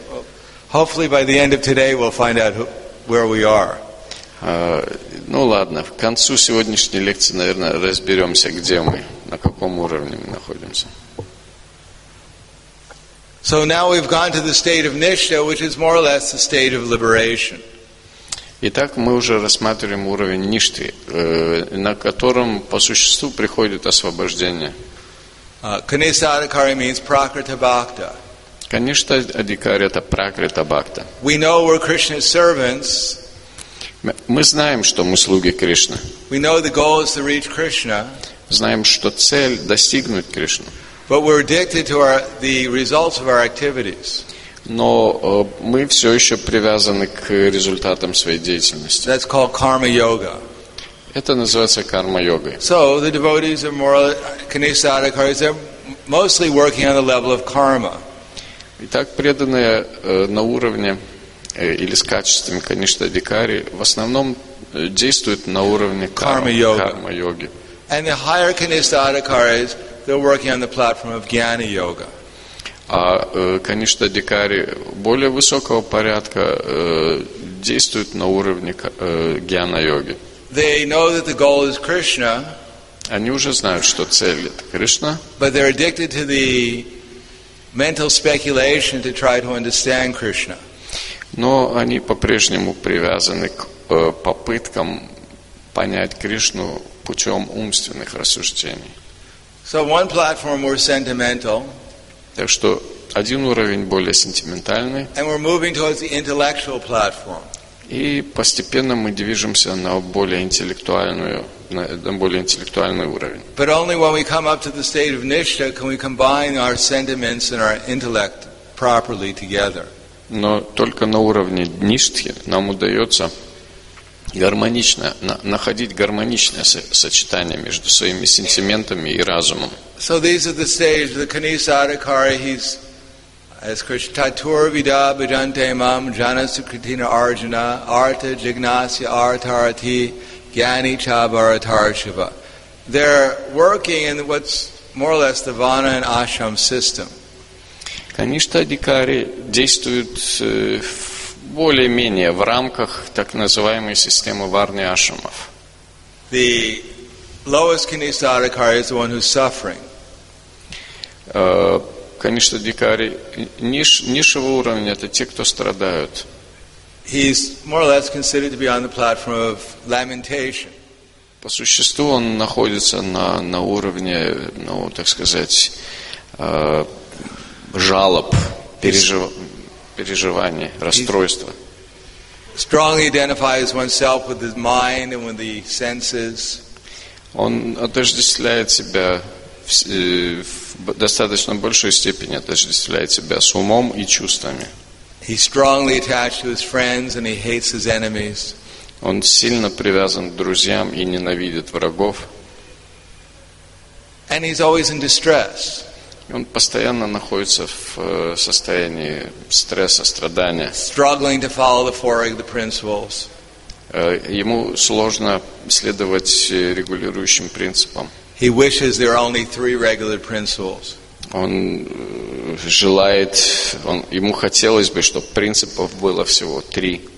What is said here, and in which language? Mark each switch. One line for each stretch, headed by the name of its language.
English: Well, hopefully by the end of today we'll find out where we are.
Russian: Ну ладно, в концу сегодняшней лекции, наверное, разберемся, где мы, на каком уровне мы находимся.
English: So now we've gone to the state of nishtha, which is more or less the state of liberation.
Russian: Итак, мы уже рассматриваем уровень ништхи, на котором по существу приходит освобождение.
English: Kanishta adhikari means prakriti bhakta.
Russian: Kanishta adhikari это prakriti bhakta.
English: We know we're Krishna's servants.
Russian: Мы знаем, что мы слуги Кришны.
English: We know the goal is to reach Krishna.
Russian: Знаем, что цель достигнуть Кришну.
English: But we're addicted to the results of our activities.
Russian: Но мы все еще привязаны к результатам своей деятельности.
English: That's called karma yoga.
Russian: Это называется карма йога.
English: So the devotees are more kanishta adhikari. They're mostly working on the level of karma.
Russian: Итак, преданные на уровне или с качеством каништа адхикари в основном действуют на уровне карма йоги.
English: And the higher kanishta adhikaris, they're working on the platform of jnana yoga.
Russian: А, конечно, адхикари более высокого порядка действуют на уровне гьяна-йоги.
English: They know that the goal is Krishna.
Russian: Они уже знают, что цель это Кришна.
English: But they're addicted to the mental speculation to try to understand Krishna.
Russian: Но они по-прежнему привязаны к попыткам понять Кришну путем умственных рассуждений.
English: So one platform we're sentimental.
Russian: Так что один уровень более сентиментальный.
English: And we're moving towards the intellectual platform.
Russian: И постепенно мы движемся на более интеллектуальную, на более интеллектуальный уровень.
English: But only when we come up to the state of nishtha can we combine our sentiments and our intellect properly together.
Russian: Но только на уровне ништхи нам удается гармонично, находить гармоничное сочетание между своими сентиментами и разумом.
English: So these are the stages. The kanishta adhikari, he's as Krishna.
Sanskrit: Tatur vida bhajante mam jana sukritina arjuna arta jignasya artarati jnani cha bharatarshiva.
English: They're working in what's more or less the vana and ashram system.
Russian: Kanishta adhikari действуют более-менее в рамках так называемой системы варны ашрамов.
English: The lowest kanishta adhikari is the one who's suffering.
Russian: Конечно, дикари низшего уровня это те, кто страдают.
English: He's more or less considered to be on the platform of lamentation.
Russian: По существу он находится на уровне, ну, так сказать, жалоб, переживаний, расстройства.
English: Strongly identifies oneself with his mind and with the senses.
Russian: Он отождествляет себя в достаточно большой степени отождествляет себя с умом и чувствами.
English: He strongly attached to his friends and he hates his enemies.
Russian: Он сильно привязан к друзьям и ненавидит врагов.
English: And he's always in distress.
Russian: Он постоянно находится в состоянии стресса, страдания.
English: Struggling to follow the four principles.
Russian: Ему сложно следовать регулирующим принципам.
English: He wishes there are only three regular principles.
Russian: Он желает, ему хотелось бы, чтобы принципов было всего три.